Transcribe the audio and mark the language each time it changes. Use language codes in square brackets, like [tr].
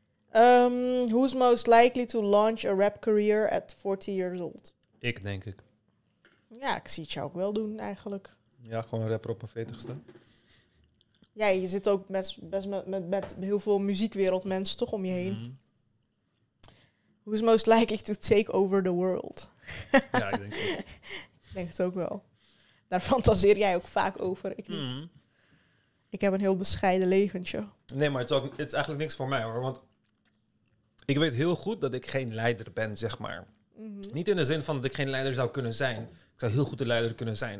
[en] Who's most likely to launch a rap career at 40 years old? [nl] Ik, denk ik. Ja, ik zie het jou ook wel doen, eigenlijk. Ja, gewoon een rapper op mijn 40ste. Ja, je zit ook best met heel veel muziekwereldmensen toch om je heen. Mm-hmm. [en] Who's most likely to take over the world? [nl] Ja, ik denk het ook wel. Daar fantaseer jij ook vaak over, ik niet. Mm. Ik heb een heel bescheiden leventje. Nee, maar het is eigenlijk niks voor mij, hoor. Want ik weet heel goed dat ik geen leider ben, zeg maar. Mm-hmm. Niet in de zin van dat ik geen leider zou kunnen zijn. Ik zou heel goed een leider kunnen zijn.